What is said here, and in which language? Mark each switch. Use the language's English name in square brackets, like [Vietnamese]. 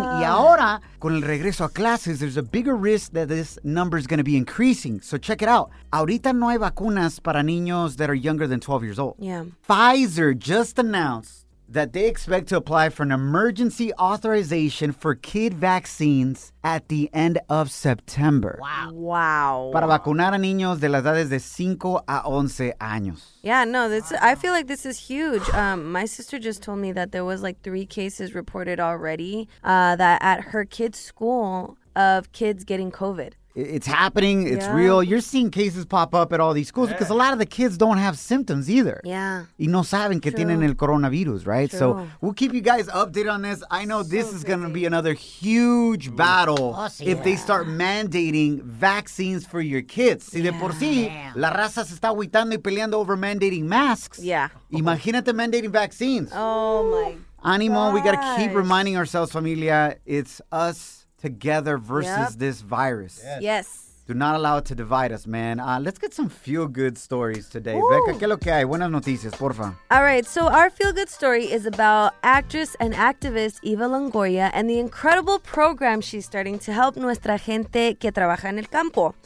[Spanish] Y ahora, con el regreso a clases, [English] there's a bigger risk that this number is going to be increasing. So check it out. [Spanish] Ahorita no hay vacunas para niños [English] that are younger than 12 years old. Yeah. Pfizer just announced that they expect to apply for an emergency authorization for kid vaccines at the end of September. Wow. [Spanish] Para vacunar a niños de las edades de 5 a 11 años. [English] Yeah, no, this I feel like this is huge. My sister just told me that there was like 3 cases reported already that at her kid's school of kids getting COVID. It's happening. It's real. You're seeing cases pop up at all these schools because a lot of the kids don't have symptoms either. Yeah. [Spanish] Y no saben que tienen el coronavirus, [English] right? True. So we'll keep you guys updated on this. I know this is going to be another huge battle if they start mandating vaccines for your kids. [Spanish] Si de por sí, la raza se está aguitando y peleando [English] over mandating masks. Yeah. [Spanish] Imagínate [English] mandating vaccines. Oh, my gosh. Animo, we got to keep reminding ourselves, familia, it's us together versus this virus. Yes. Do not allow it to divide us, man. Let's get some feel-good stories today. Ooh. Becca, [Spanish] ¿qué es lo que hay? Buenas noticias, porfa. [English] All right, so our feel-good story is about actress and activist Eva Longoria and the incredible program she's starting to help [Spanish] nuestra gente que trabaja en el campo.